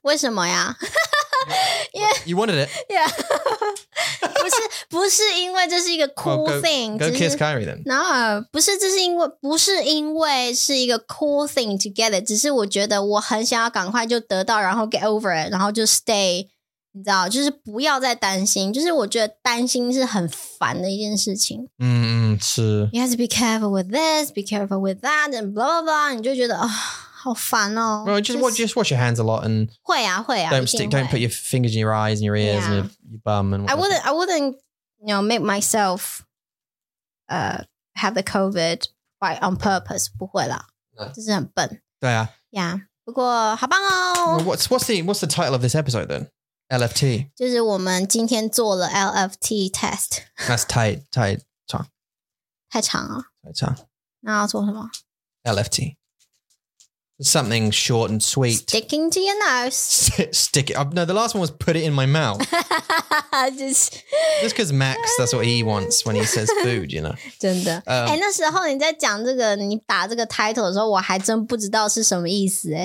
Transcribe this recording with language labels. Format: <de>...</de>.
<en>Why? Yeah. You wanted it. Yeah. It's not because it's a cool thing. Go kiss Kyrie then. No, it's not because it's a cool thing together. It's just that I think I want to get it and then get over it and then stay.</en> <zh>你知道，就是不要再担心，就是我觉得担心是很烦的一件事情。是。</zh> <en>You have to be careful with this, be careful with that, and blah blah blah.</en> <zh>你就觉得啊，好烦哦。</zh> <en>Just wash your hands a lot and</en> <zh>会啊会啊。</zh> <en>Don't put your fingers in your eyes and your ears and your bum and. I wouldn't, you know, make myself, have the COVID by on purpose.</en> <zh>不会啦，这是很笨。对啊。 Yeah， 不过好棒哦。</zh> <en>What's the title of this episode then? LFT.</en> <zh>就是我们今天做了 LFT test.</zh> <en>That's 太长。</en> <zh>太长了。太长。那要做什么？</zh> <en>LFT. Something short and sweet. Sticking to your nose. Stick it. No, the last one was put it in my mouth. Just because Max, that's what he wants when he says food, you know.</en> <zh>真的。欸，那时候你在讲这个，你打这个 title 的时候，我还真不知道是什么意思欸。</zh>